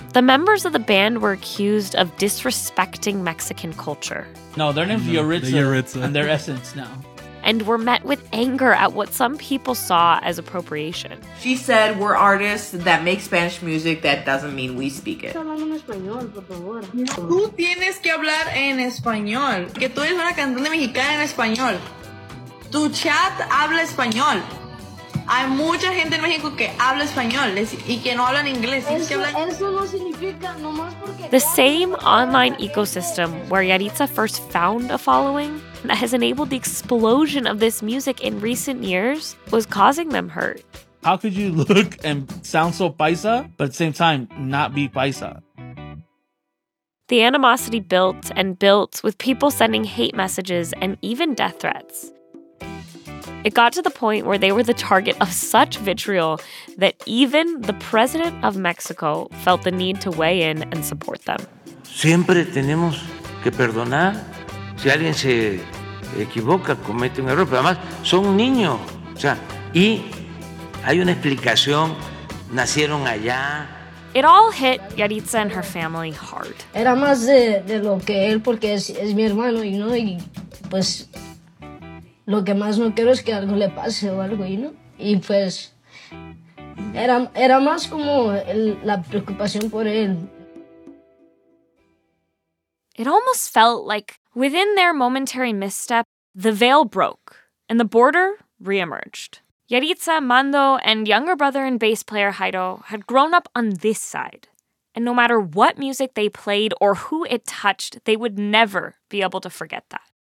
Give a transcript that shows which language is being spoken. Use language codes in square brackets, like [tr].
[en] The members of the band were accused of disrespecting Mexican culture. No, they're named Yaritza. And their essence now. And were met with anger at what some people saw as appropriation. She said, we're artists that make Spanish music, that doesn't mean we speak it. [es] Tú tienes que hablar en español. Que tú eres una cantante mexicana en español. Tu chat habla español. Hay mucha gente en México que habla español y que no hablan inglés. Eso no significa, nomás porque... [en] The same online ecosystem where Yaritza first found a following that has enabled the explosion of this music in recent years was causing them hurt. How could you look and sound so paisa, but at the same time, not be paisa? The animosity built and built, with people sending hate messages and even death threats. It got to the point where they were the target of such vitriol that even the president of Mexico felt the need to weigh in and support them. [es] Siempre tenemos que perdonar. Si alguien se equivoca, comete un error, pero además son niños. O sea, y hay una explicación, nacieron allá. [en] It all hit Yaritza and her family hard. [es] Era más de lo que él, porque es mi hermano, y no, y pues lo que más no quiero es que algo le pase o algo, y no. Y pues era más como la preocupación por él. [en] It almost felt like within their momentary misstep, the veil broke and the border reemerged. Yaritza, Mando, and younger brother and bass player Jairo had grown up on this side. And no matter what music they played or who it touched, they would never be able to forget that.